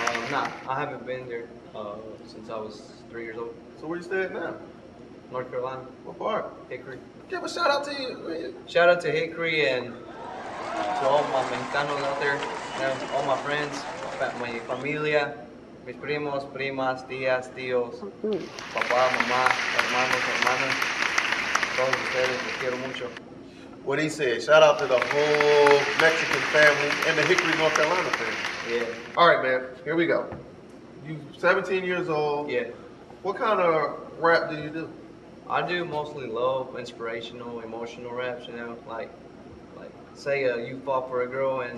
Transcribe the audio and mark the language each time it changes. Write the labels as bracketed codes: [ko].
[en] Nah, I haven't been there since I was 3 years old. So where you stay at now? North Carolina. What part? Hickory. Give a shout out to you. Shout out to Hickory and to all my Mexicanos out there, and all my friends, my familia. [es] Mis primos, primas, tías, tíos, papá, mamá, hermanos, hermanas, todos ustedes, los quiero mucho. [en] What he said, shout out to the whole Mexican family and the Hickory, North Carolina family. Yeah. All right, man, here we go. You're 17 years old. Yeah. What kind of rap do you do? I do mostly love, inspirational, emotional raps, you know, like say you fought for a girl and